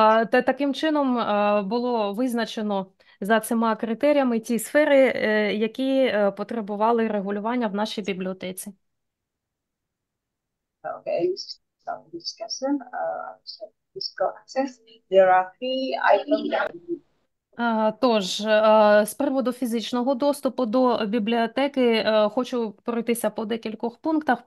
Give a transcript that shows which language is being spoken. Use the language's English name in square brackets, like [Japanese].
[Ukrainian] Та таким чином було визначено за цими критеріями ті сфери, які потребували регулювання в нашій бібліотеці. [English] Okay, some discussion. Physical access, there are three items that we need. [Ukrainian] Тож, з приводу фізичного доступу до бібліотеки хочу пройтися по декількох пунктах.